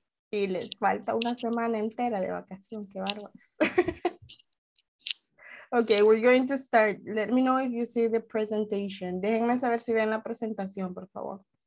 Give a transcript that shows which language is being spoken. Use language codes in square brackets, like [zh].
[es] Y les falta una semana entera de vacación. Qué bárbaros. [en] Okay, we're going to start. Let me know if you see the presentation. [es] Déjenme saber si ven la presentación, por favor.